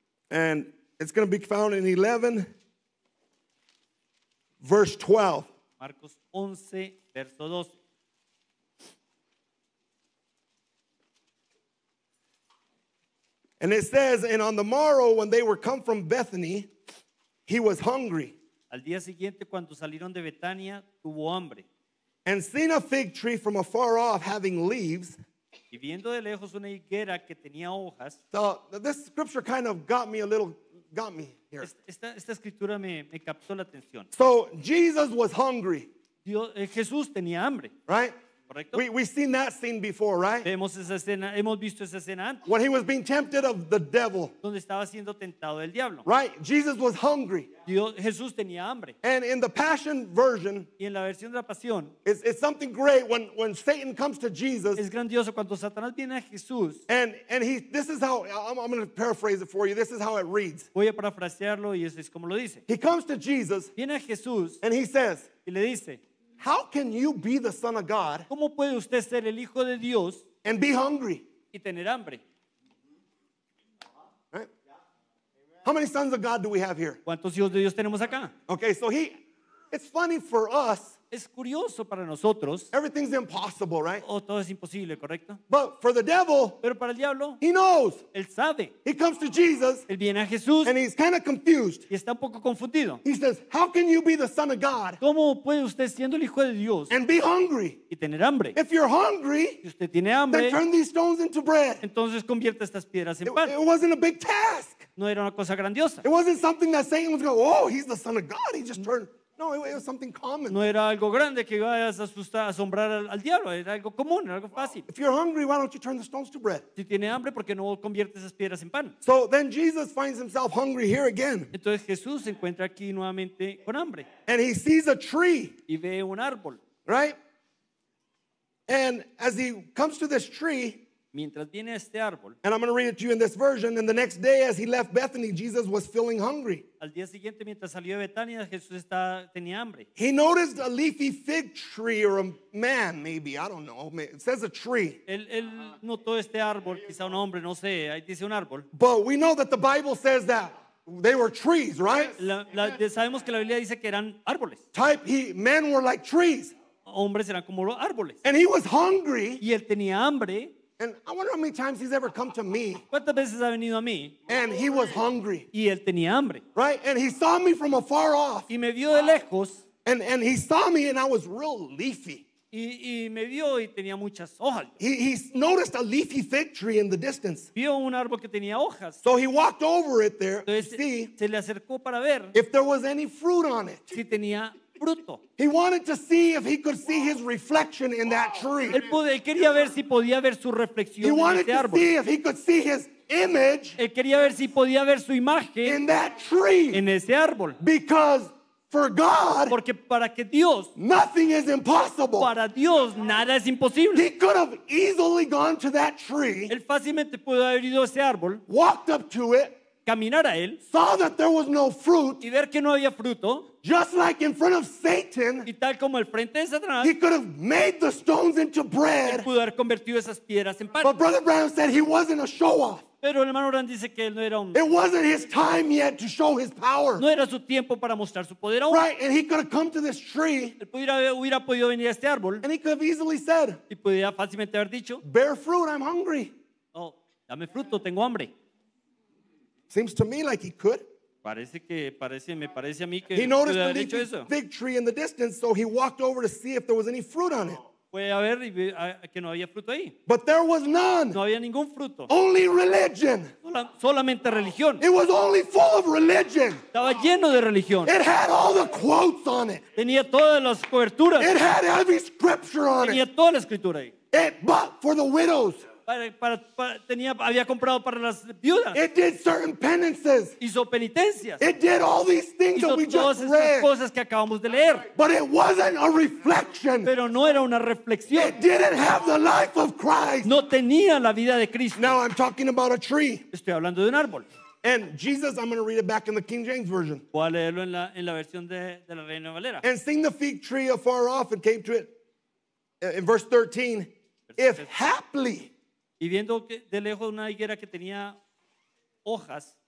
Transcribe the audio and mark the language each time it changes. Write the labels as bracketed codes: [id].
[en] And it's going to be found in 11, verse 12. [es] Marcos 11, verso 12. [en] And it says, and on the morrow when they were come from Bethany, he was hungry. [es] Al día siguiente, cuando salieron de Betania, tuvo hambre. [en] And seeing a fig tree from afar off having leaves. [es] Y viendo de lejos una higuera que tenía hojas. [en] So this scripture kind of got me here. [es] Esta escritura me captó la atención. [en] So Jesus was hungry. [es] Jesús tenía hambre. [en] Right? [es] Correcto. [en] We've seen that scene before, right? [es] Vemos esa escena, hemos visto esa escena antes. [en] When he was being tempted of the devil. [es] Donde estaba siendo tentado del diablo. [en] Right? Jesus was hungry. [es] Jesús tenía hambre. [en] And in the Passion version, [es] y en la versión de la pasión, [en] it's something great when Satan comes to Jesus. [es] Es grandioso cuando Satanás viene a Jesús. [en] And he, this is how, I'm going to paraphrase it for you. This is how it reads. [es] Voy a parafrasearlo y eso es como lo dice. [en] He comes to Jesus. [es] Viene a Jesús. [en] And he says. [es] Y le dice. [en] How can you be the Son of God? [es] ¿Cómo puede usted ser el hijo de Dios? [en] And be hungry. [es] Y tener hambre. [en] Right? Yeah. How many sons of God do we have here? [es] ¿Cuántos hijos de Dios tenemos acá? [en] Okay, so it's funny for us. [es] Es curioso para nosotros. [en] Everything's impossible, right? [es] O todo es imposible, ¿correcto? [en] But for the devil, [es] pero para el diablo, [en] he knows. [es] Él sabe. [en] He comes to Jesus. [es] Él viene a Jesús. [en] And he's kind of confused. [es] Y está un poco confundido. [en] He says, "How can you be the Son of God? [es] ¿Cómo puede usted siendo el hijo de Dios? [en] And be hungry. [es] Y tener hambre. [en] If you're hungry, [es] si usted tiene hambre, [en] then turn these stones into bread. [es] Entonces convierta estas piedras en pan. [en] It wasn't a big task. [es] No era una cosa grandiosa. [en] It wasn't something that Satan was going, "Oh, he's the Son of God. He just turned." No, it was something common. [es] No era algo grande que vayas a asustar, asombrar al diablo. Era algo común, era algo fácil. [en] If you're hungry, why don't you turn the stones to bread? [es] Si tiene hambre, ¿por qué no convierte esas piedras en pan? [en] So then Jesus finds himself hungry here again. [es] Entonces Jesús se encuentra aquí nuevamente con hambre. [en] And he sees a tree. [es] Y ve un árbol. [en] Right? And as he comes to this tree, [es] mientras viene este árbol, [en] and I'm going to read it to you in this version, and the next day as he left Bethany, Jesus was feeling hungry. [es] Al día siguiente, mientras salió de Betania, Jesús estaba, tenía hambre. [en] He noticed a leafy fig tree or a man, maybe, I don't know. It says a tree. [es] Él notó este árbol, quizá un hombre, no sé, ahí dice un árbol. [en] But we know that the Bible says that they were trees, right? [es] Sabemos que la Biblia dice que eran árboles. [en] Men were like trees. [es] Hombres eran como árboles. [en] And he was hungry. [es] Y él tenía hambre. [en] And I wonder how many times he's ever come to me. [es] ¿Cuántas veces ha venido a mí? [en] And he was hungry. [es] Y él tenía hambre. [en] Right? And he saw me from afar off. [es] Y me vio de lejos. [en] And he saw me and I was real leafy. [es] Y me vio y tenía muchas hojas. [en] He noticed a leafy fig tree in the distance. [es] Vio un árbol que tenía hojas. [en] So he walked over it there. [es] Entonces, [en] to see [es] se le acercó para ver [en] if there was any fruit on it. [es] Si tenía fruto. [en] He wanted to see if he could see his reflection in that tree. [es] Él quería ver si podía ver su reflexión en ese árbol. [en] He wanted to see if he could see his image. [es] Él quería ver si podía ver su imagen [en] in that tree. [es] En ese árbol. [en] Because for God, [es] porque para que Dios, [en] nothing is impossible. [es] Para Dios, nada es imposible. [en] He could have easily gone to that tree. [es] Él fácilmente pudo haber ido a ese árbol. [en] Walked up to it. [es] Caminar a él. [en] Saw that there was no fruit. [es] Y ver que no había fruto. [en] Just like in front of Satan, [es] y tal como el frente de Satanás, [en] he could have made the stones into bread. [es] Él pudo haber convertido esas piedras en pan. [en] But Brother Brown said he wasn't a show-off. [es] Pero el hermano Brown dice que él no era un. [en] It wasn't his time yet to show his power. [es] No era su tiempo para mostrar su poder aún. [en] Right, and he could have come to this tree. [es] Él hubiera podido venir a este árbol. [en] And he could have easily said, [es] y pudiera fácilmente haber dicho, [en] bear fruit, I'm hungry. [es] Oh, dame fruto, tengo hambre. [en] Seems to me like he could. [es] Parece a mí que [en] he noticed the leafy fig tree in the distance, so he walked over to see if there was any fruit on it. [es] Que no había fruto ahí. [en] But there was none. [es] No había ningún fruto. [en] Only religion. [es] Solamente religión. [en] It was only full of religion. [es] Estaba lleno de religión. [en] It had all the quotes on it. [es] Tenía todas las coberturas. [en] It had every scripture on [es] tenía [en] it. [es] Toda la escritura ahí. [en] It bought for the widows. [es] Había comprado para las viudas. [en] It did certain penances. [es] Hizo penitencias. [en] It did all these things [es] hizo [en] that we [es] todas [en] just read. [es] Cosas que acabamos de leer. [en] But it wasn't a reflection. [es] Pero no era una reflexión. [en] It didn't have the life of Christ. [es] No tenía la vida de Cristo. [en] Now I'm talking about a tree. [es] Estoy hablando de un árbol. [en] And Jesus, I'm going to read it back in the King James Version. [es] Voy a leerlo en la versión de la Reina Valera. [en] And seeing the fig tree afar off and came to it. In verse 13, if haply. [es] Y viendo que de lejos una higuera que tenía hojas.